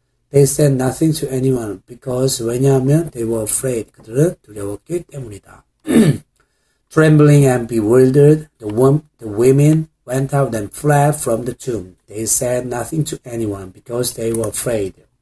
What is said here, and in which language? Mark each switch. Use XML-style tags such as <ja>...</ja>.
<en>They said nothing to anyone because,</en> <ko>왜냐하면,</ko> <en>they were afraid.</en> <ko>그들은 두려웠기 때문이다.</ko> <en>Trembling and bewildered, the women went out and fled from the tomb. They said nothing to anyone because they were afraid.</en>